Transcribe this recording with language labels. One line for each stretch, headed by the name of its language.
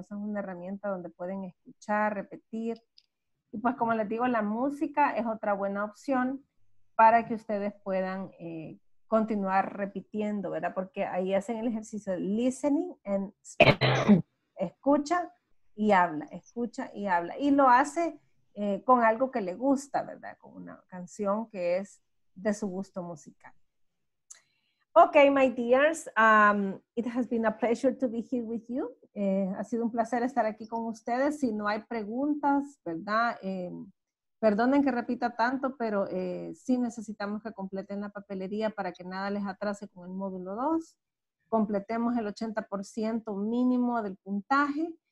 Spanish: Esa es una herramienta donde pueden escuchar, repetir. Y pues, como les digo, la música es otra buena opción para que ustedes puedan continuar repitiendo, ¿verdad? Porque ahí hacen el ejercicio de
English: listening and speaking.
Spanish: Escucha y habla, escucha y habla. Y lo hace con algo que le gusta, ¿verdad? Con una canción que es de su gusto musical.
English: Ok, my dears, it has been a pleasure to be here with you.
Spanish: Ha sido un placer estar aquí con ustedes. Si no hay preguntas, ¿verdad? Perdonen que repita tanto, pero sí necesitamos que completen la papelería para que nada les atrase con el módulo 2. Completemos el 80% mínimo del puntaje.